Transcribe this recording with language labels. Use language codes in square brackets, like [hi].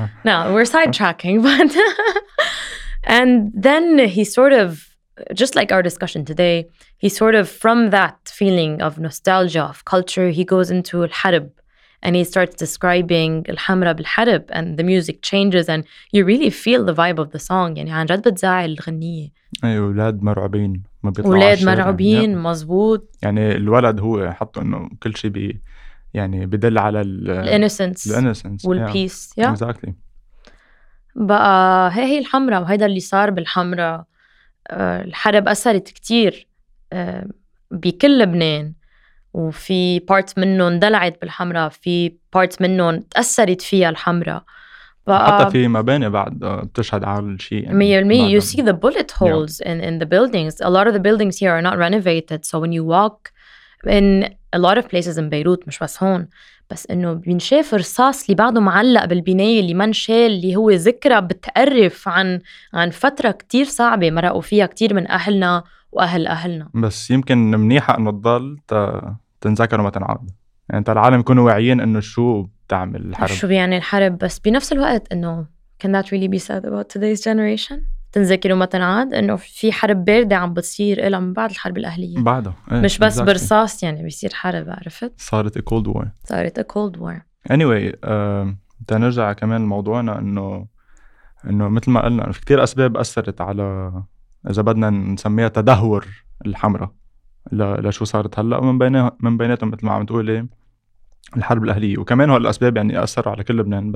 [en] Now we're sidetracking, but and then he sort of, just like our discussion today, he sort of from that feeling of nostalgia of culture, he goes into [ar] الحرب [en] and he starts describing [ar] الحمرة بالحرب, [en] and the music changes and you really feel the vibe of the song. [ar] يعني عن جد بتزعل الغنية. أيوة أولاد مرعبين ما بيطلعوا. أولاد مرعبين مزبوط. يعني الولد هو حط إنه كل شيء بي يعني بدل على الانسنس والبيس. [en] yeah. exactly. [ar] بقى هي الحمرة وهيدا اللي صار بالحمرة. الحرب أثرت كتير بكل لبنان, وفي بارت منه اندلعت بالحمرة, في بارت منه تأثرت فيها الحمرة. حتى في مباني بعد بتشهد على الشيء. يعني [en] you see the bullet holes yeah. in the buildings. A lot of the buildings here are not renovated, so when you walk in a lot of places in Beirut, [ar] مش بس هون, بس إنه بنشاف رصاص اللي بعده معلق بالبناية اللي ما انشال, اللي هو ذكرى بتقرف عن فترة كتير صعبة مرقوا فيها كتير من أهلنا وأهل أهلنا. بس يمكن منيحة إنه تضل تنذكر وما تنعاد. يعني أنت العالم يكونوا واعيين إنه شو بتعمل الحرب. شو يعني الحرب, بس بنفس الوقت إنه [en] can that really be said about today's generation؟ [ar] تنذكر وما تنعاد إنه في حرب باردة عم بتصير إلا من بعد الحرب الأهلية. بعده. إيه. مش بس [en] exactly. [ar] برصاص يعني بيصير حرب, عرفت؟ صارت [en] a cold war. [ar] صارت [en] a cold war. Anyway, [ar] تنرجع كمان لموضوعنا إنه مثل ما قلنا في كتير أسباب أثرت على, إذا بدنا نسميها تدهور الحمرة لشو صارت هلأ, من بيناتهم مثل ما عم تقولي الحرب الأهلية, وكمان هالأسباب يعني أثروا على كل لبنان.